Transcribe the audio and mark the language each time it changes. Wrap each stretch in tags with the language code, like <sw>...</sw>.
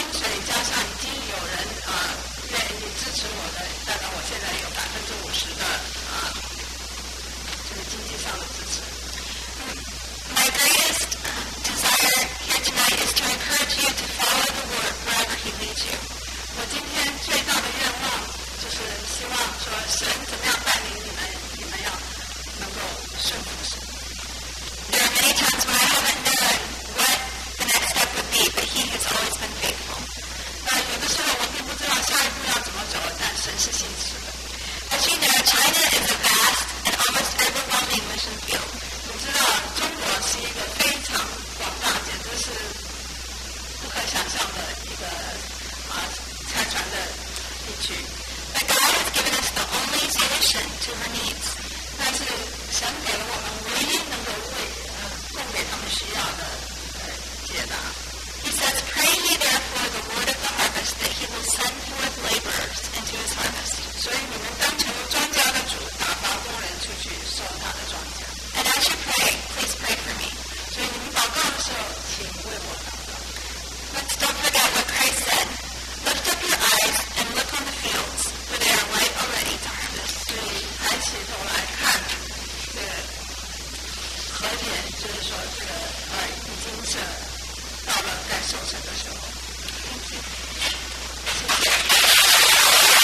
<zh>里加上已经有人愿意支持我的，大概我现在有50%的就是经济上的支持。</zh> <en>My greatest desire here tonight is to encourage you to follow the Lord wherever He leads you.</en> <zh>我今天最大的愿望就是希望说神怎么样带领你们，你们要能够顺服神。</zh> <en>There are many times when I haven't known what the next step would be, but He has always been faithful.</en> <zh>那有的时候我并不知道下一步要怎么走，但神是信实的。</zh> <en>As you know, China is a vast and almost overwhelming mission field.</en> <zh>知道中国是一个非常广大，简直是不可想象的一个拆船的地区。</zh> <en>But God has given us the only solution to her needs.</en> <zh>但是神给了我们唯一能够为供给他们需要的解答。</zh> <en>He says, "Pray ye therefore the Lord of the harvest that He will send forth laborers into His harvest."</en> <zh>所以你们当成庄稼的主，打发工人出去收他的庄稼。</zh> <en>And as you pray, please pray for me.</en> <zh>所以你们祷告的时候，请为我祷告。</zh> <en>Let's don't forget what Christ said. Lift up your eyes and look on the fields, for they are ripe already to harvest.</en> <zh>所以抬起头来看，这个禾田，就是说这个已经是到了该收成的时候。</zh> <en>Thank you.</en> <zh>谢谢。</zh>